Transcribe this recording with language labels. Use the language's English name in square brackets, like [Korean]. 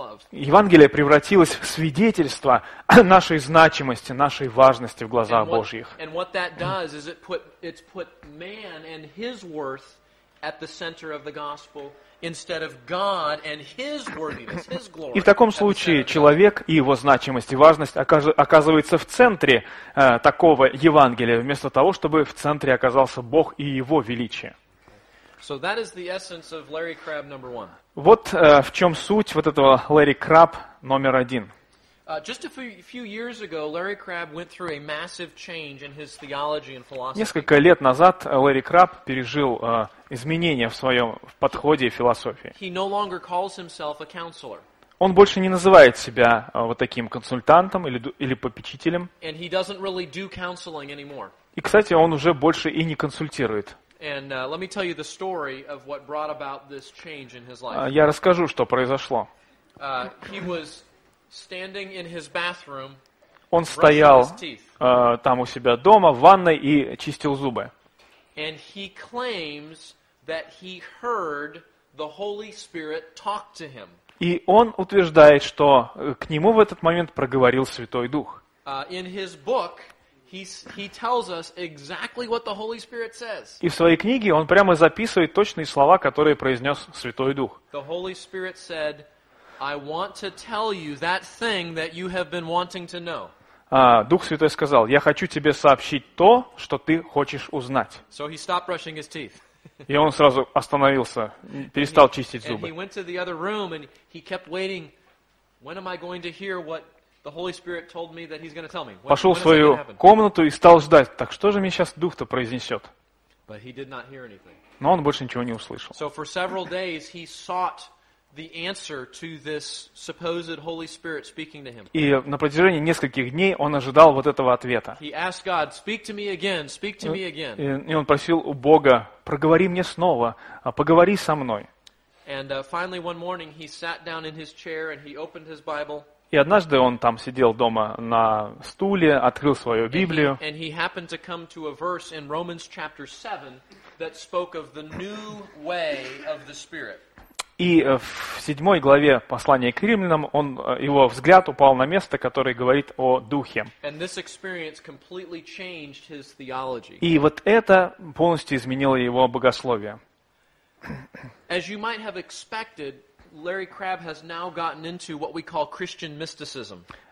[Russian] Евангелие превратилось в свидетельство нашей значимости, нашей важности в глазах Божьих. [English] And what that does is it's put man and his worth at the center of the gospel. Instead of God and His worthiness, His glory. [Russian] И в таком случае человек и его значимость и важность оказывается в центре такого Евангелия, вместо того, чтобы в центре оказался Бог и Его величие. [English] So that is the essence of Larry Crabb number one. [Russian] Вот в чем суть вот этого Larry Crabb номер один. [English] Just a few years ago, Larry Crabb went through a massive change in his theology and philosophy. [Russian] Несколько лет назад Larry Crabb пережил изменения в своем подходе и философии. [English] He no longer calls himself a counselor. [Russian] Он больше не называет себя вот таким консультантом или попечителем. [English] And he doesn't really do counseling anymore. [Russian] И, кстати, он уже больше и не консультирует. [English] And let me tell you the story of what brought about this change in his life. [Russian] Я расскажу, что произошло. [English] He was standing in his bathroom, [Russian] он стоял там у себя дома в ванной и чистил зубы. [English] And he claims that he heard the Holy Spirit talk to him. [Russian] И он утверждает, что к нему в этот момент проговорил Святой Дух. [English] In his book, he tells us exactly what the Holy Spirit says. [Russian] И в своей книге он прямо записывает точные слова, которые произнес Святой Дух. [English] The Holy Spirit said, I want to tell you that thing that you have been wanting to know. [Russian] Дух Святой сказал, я хочу тебе сообщить то, что ты хочешь узнать. [English] So he stopped brushing his teeth. [Russian] И он сразу остановился, перестал чистить зубы. [English] And he went to the other room and he kept waiting. When am I going to hear what the Holy Spirit told me that he's going to tell me? [Russian] Пошел в свою комнату и стал ждать. Так что же мне сейчас Дух-то произнесет? [English] But he did not hear anything. [Russian] Но он больше ничего не услышал. [English] So for several days he sought the answer to this supposed Holy Spirit speaking to him. [Russian] И на протяжении нескольких дней он ожидал вот этого ответа. [English] He asked God, speak to me again, speak to me again. [Russian] И он просил у Бога, проговори мне снова, поговори со мной. [English] And finally one morning he sat down in his chair and he opened his Bible. [Russian] И однажды он там сидел дома на стуле, открыл свою Библию. [English] And he happened to come to a verse in Romans chapter 7 that spoke of the new way of the Spirit. [Russian] И в 7 главе послания к Римлянам он, его взгляд упал на место, которое говорит о Духе. [English] And this experience completely changed his theology. [Russian] И вот это полностью изменило его богословие. [English] As you might have expected, Larry Crabb has now gotten into what we call Christian mysticism.